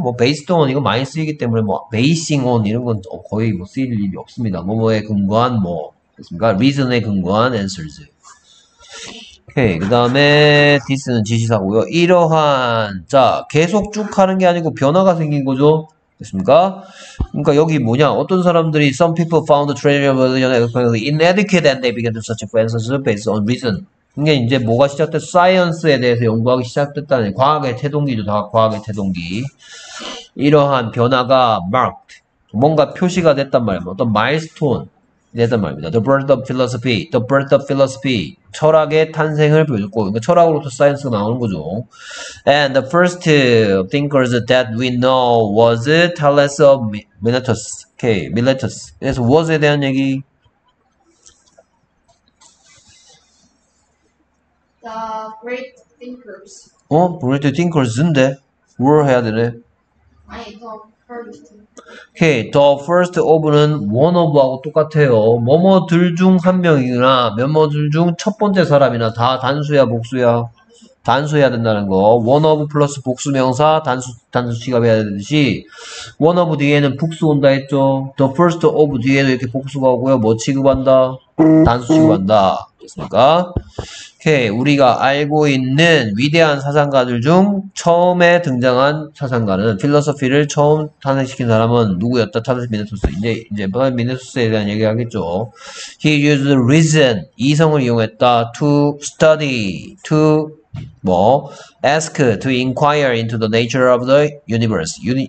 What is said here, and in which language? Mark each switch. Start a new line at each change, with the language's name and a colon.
Korean: 뭐 based on 이거 많이 쓰이기 때문에 뭐 basing on 이런 건 거의 뭐 쓰일 일이 없습니다. 뭐뭐에 근거한 뭐 됐습니까? reason에 근거한 answers. 오케이. 그 다음에 this는 지시사고요. 이러한 자 계속 쭉 하는 게 아니고 변화가 생긴 거죠. 됐습니까? 그러니까 여기 뭐냐? 어떤 사람들이
English: some people found the traditional religion inadequate and they began to search for answers based on reason.
Korean: 이게 이제 뭐가 시작돼? science에 대해서 연구하기 시작됐다는 과학의 태동기죠. 다 과학의 태동기. 이러한 변화가 marked 뭔가 표시가 됐단 말입니다. 어떤 milestone 됐단 말입니다.
English: The birth of philosophy, the birth of philosophy.
Korean: 철학의 탄생을 보여줬고, 그러니까 철학으로부터 사이언스가 나오는 거죠.
English: And the first thinkers that we know was Thales of Miletus.
Korean: Okay, Miletus. 그래서 was에 대한 얘기.
English: The great thinkers.
Korean: 어? Great thinkers인데? were 해야 되네.
English: 아니, the first.
Korean: Okay, the first of는 one of하고 똑같아요. 뭐뭐들 중 한 명이나 몇뭐들 중 첫 번째 사람이나 다 단수야 복수야? 단수해야 된다는 거. one of 플러스 복수명사 단수 취급해야 되듯이 one of 뒤에는 복수 온다 했죠. the first of 뒤에도 이렇게 복수가 오고요. 뭐 취급한다? 단수 취급한다. 됐습니까? Okay, 우리가 알고 있는 위대한 사상가들 중 처음에 등장한 사상가는 필로소피를 처음 탄생시킨 사람은 누구였다? 타르스 미네토스. 이제 미네토스에 대한 얘기 하겠죠.
English: He used reason,
Korean: 이성을 이용했다.
English: To study, to 뭐 ask, to inquire into the nature of the universe.